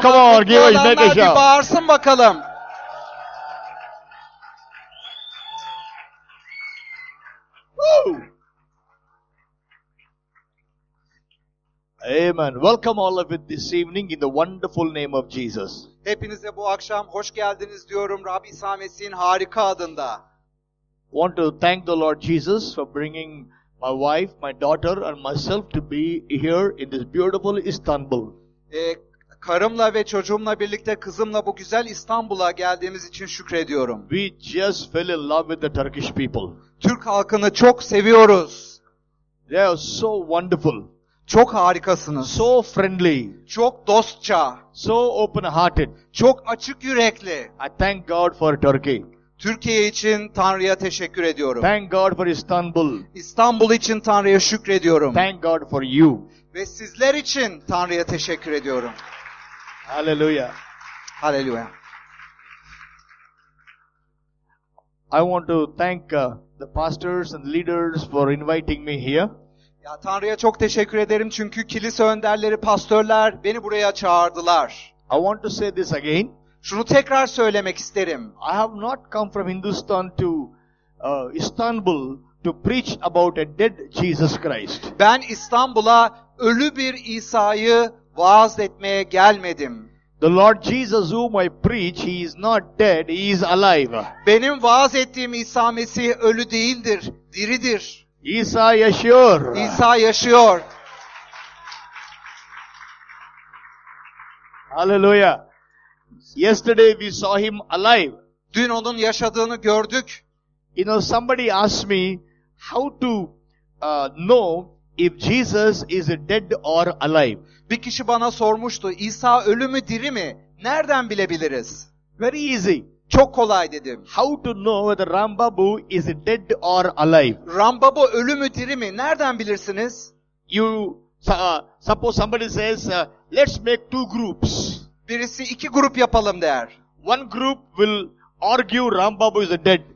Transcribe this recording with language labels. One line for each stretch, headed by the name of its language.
English: Come on, give a shout.
Turkish: Bir bağırsın bakalım.
English: Amen. Welcome all of you this evening in the wonderful name of Jesus.
Turkish: Hepinize bu akşam hoş geldiniz diyorum Rab İsa Mesih'in harika adında.
English: Want to thank the Lord Jesus for bringing my wife, my daughter and myself to be here in this beautiful Istanbul.
Turkish: Karımla ve çocuğumla birlikte kızımla bu güzel İstanbul'a geldiğimiz için şükrediyorum.
English: We just fell in love with the Turkish people.
Turkish: Türk halkını çok seviyoruz.
English: They are so wonderful.
Turkish: Çok harikasınız.
English: So friendly.
Turkish: Çok dostça.
English: So open-hearted.
Turkish: Çok açık yürekli.
English: I thank God for Turkey.
Turkish: Türkiye için Tanrı'ya teşekkür ediyorum.
English: Thank God for Istanbul.
Turkish: İstanbul için Tanrı'ya şükrediyorum.
English: Thank God for you.
Turkish: Ve sizler için Tanrı'ya teşekkür ediyorum.
English: Hallelujah. Hallelujah. I want to thank the pastors and leaders for inviting me here.
Turkish: Ya Tanrı'ya çok teşekkür ederim çünkü kilise önderleri, pastörler beni buraya çağırdılar.
English: I want to say this again.
Turkish: Şunu tekrar söylemek isterim.
English: I have not come from Hindustan to Istanbul to preach about a dead Jesus Christ.
Turkish: Ben İstanbul'a ölü bir İsa'yı vaaz etmeye gelmedim.
English: The Lord Jesus whom I preach, he is not dead, he is alive.
Turkish: Benim vaaz ettiğim İsa Mesih ölü değildir, diridir. İsa yaşıyor. İsa yaşıyor.
English: Hallelujah. Yesterday we saw him alive.
Turkish: Dün onun yaşadığını gördük. You know, somebody asked me how to know if Jesus is dead or alive. Bir kişi bana sormuştu, İsa ölü mü diri mi? Nereden bilebiliriz?
English: Very easy.
Turkish: Çok kolay dedim.
English: How to know whether Rambabu is dead or alive?
Turkish: Rambabu ölü mü diri mi? Nereden bilirsiniz?
English: You suppose somebody says, let's make two groups.
Turkish: Birisi iki grup yapalım der.
English: One group will argue Rambabu is dead.